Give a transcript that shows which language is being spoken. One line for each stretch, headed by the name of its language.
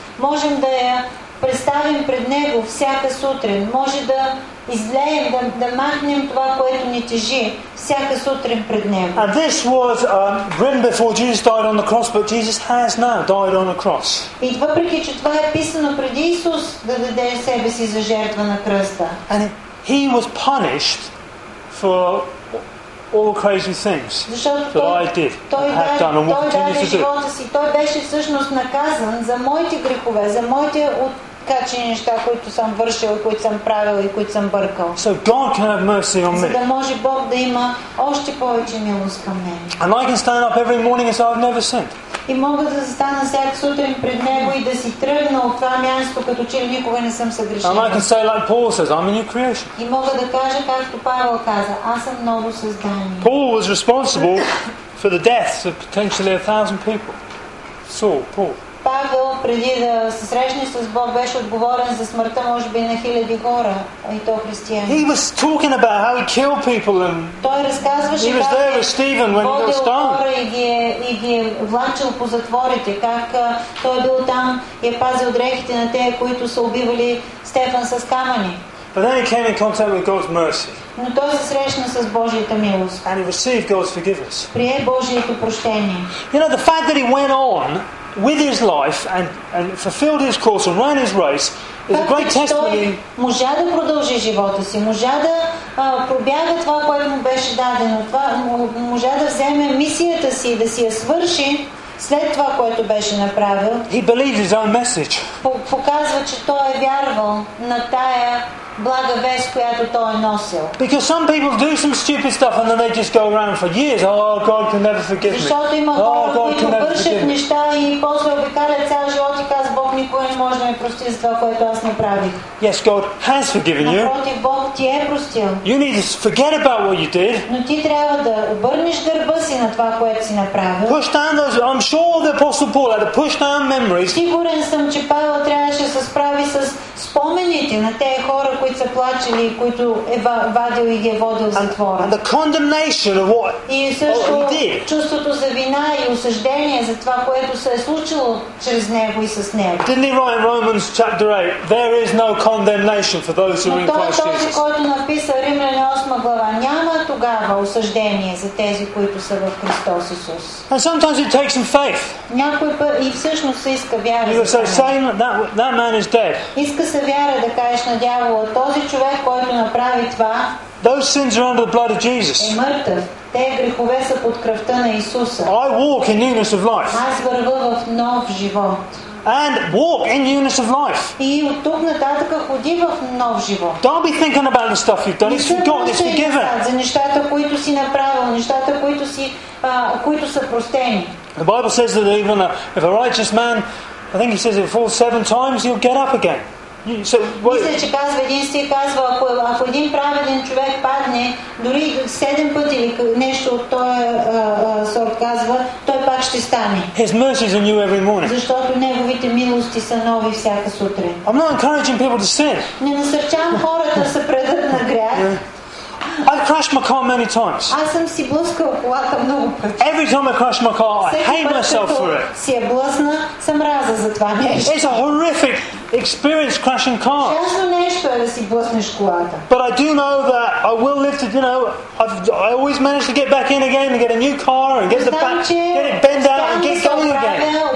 Bulgarian: Можем да я представим пред Него всяка сутрин. Може да излеем, да махнем това, което ни тежи всяка сутрин пред Него.
English: And this was written before Jesus died on the cross, but Jesus has now died on the cross.
Bulgarian: И въпреки че това е писано преди Исус да даде себе си за жертва на кръста.
English: And he was punished for all crazy things that I did, I have done, and what continues to do.
Bulgarian: Той беше всъщност наказан за моите грехове, за моите откачени неща, които съм вършил, които съм правил и които съм бъркал.
English: So God can have mercy on me.
Bulgarian: За да може Бог да има още повече милост към мен.
English: And I can stand up every morning and say I've never sinned.
Bulgarian: И мога да застана всяка сутрин пред Него и да си тръгна от това място, като че никога не съм съгрешил.
English: And I can say like Paul says, I'm a new creation.
Bulgarian: И мога да кажа, както Павел каза, аз съм ново създание.
English: Paul was responsible for the deaths of potentially 1,000 people. Saul, Paul.
Bulgarian: Павел, преди да се срещне с Бог, беше отговорен за смъртта, може би, на хиляди хора, и то християни.
English: He was talking about how he killed people and
Bulgarian: той разказваше
English: he was there with Stephen when he got stoned.
Bulgarian: Хора и ги е влачил по затворите, как той е бил там и е пазил дрехите на тези, които са убивали Стефан с камъни.
English: But then he came in contact with God's mercy.
Bulgarian: Но той се срещна с Божията милост.
English: And he received God's forgiveness.
Bulgarian: Прие Божието прощение.
English: You know, the fact that he went on with his life and fulfilled his course and ran his race is a great testimony.
Bulgarian: Можа да продължи живота си, можа да пробяга това, което му беше дадено, това можа да вземе мисията си и да си я свърши след това, което беше направил.
English: He believed his own message.
Bulgarian: Показва, че той е вярвал на тая блага вест, която той е носил.
English: Because some people do some stupid stuff and then they just go around for years. Oh, God can never forgive me.
Bulgarian: Защото има хора, които вършат неща и после обикалят цял живот и казват, Бог никога не може да ме прости за това, което аз направих.
English: Yes, God has forgiven you.
Bulgarian: Напротив, Бог ти е простил.
English: You need to forget about what you did.
Bulgarian: Но ти трябва да обърнеш гърба си на това, което си направил.
English: Push down those, I'm sure the Apostle Paul had to push down memories.
Bulgarian: Сигурен съм, че Павел трябваше да се справи с спомените на тези хора, които са плачели, които е вадил и ги е водил затвора.
English: And the condemnation of what
Bulgarian: и също чувството за вина и осъждение за това, което се е случило чрез него и с него.
English: Didn't he write in Romans chapter 8? There is no condemnation for those who are in Christ Jesus.
Bulgarian: Но той е този, който написа Римляни 8 глава. Няма тогава осъждение за тези, които са в Христос Исус.
English: And sometimes it takes some faith.
Bulgarian: Някой път и всъщност се иска вяра.
English: You say, same, that man is dead.
Bulgarian: Иска се вяра да кажеш на дявола, този човек, който направи това,
English: those sins are under the blood of Jesus.
Bulgarian: Е мъртъв. Те грехове са под кръвта на Исуса.
English: I walk in newness of life.
Bulgarian: Аз вървя в нов живот.
English: And walk in newness of life.
Bulgarian: И от тук нататък ходи в нов живот.
English: Don't be thinking about the stuff you've done. It's forgotten, it's forgiven.
Bulgarian: За нещата, които си направил, нещата, които си, които са простени.
English: The Bible says that even if a righteous man, I think he says it falls 7 times, he'll get up again.
Bulgarian: Мисля, че казва един стих, казва, ако един праведен човек падне, дори 7 пъти или нещо от този сорт казва, той пак ще стане.
English: His mercy is new every morning.
Bulgarian: Защото неговите милости са нови всяка сутрин.
English: I'm not encouraging people to sin.
Bulgarian: Не насърчавам хората да се предадат на грях.
English: I've crashed my car many times.
Bulgarian: Аз съм си блъскал колата много пъти.
English: Every time I crash my car, I hate myself for it.
Bulgarian: Си я блъсна, съм раза за това нещо.
English: It's a horrific experience crashing cars.
Bulgarian: Ужасно нещо е да си блъснеш колата.
English: But I do know that I will live to, you know, I always manage to get back in again and get a new car and get the back, get it bent out and get going again.